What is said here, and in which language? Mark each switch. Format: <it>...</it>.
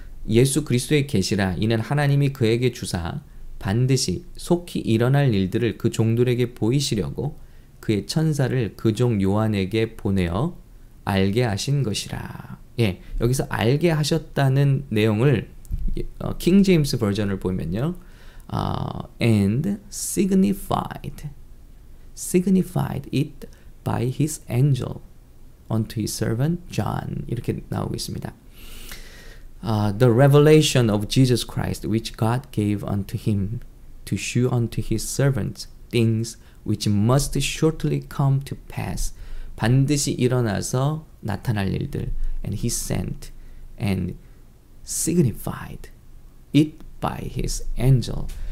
<ko>예수 그리스도의 계시라 이는 하나님이 그에게 주사 반드시 속히 일어날 일들을 그 종들에게 보이시려고 그의 천사를 그 종 요한에게 보내어 알게 하신 것이라. 예, 여기서 알게 하셨다는 내용을 킹 제임스 버전을 보면요.</ko> <en>And signified it by his angel unto his servant John.</en> <ko>이렇게 나오고 있습니다.</ko> <en>The revelation of Jesus Christ which God gave unto him to show unto his servants things which must shortly come to pass.</en> <ko>반드시 일어나서 나타날 일들.</ko> <en>And he sent and signified it by his angel.</en>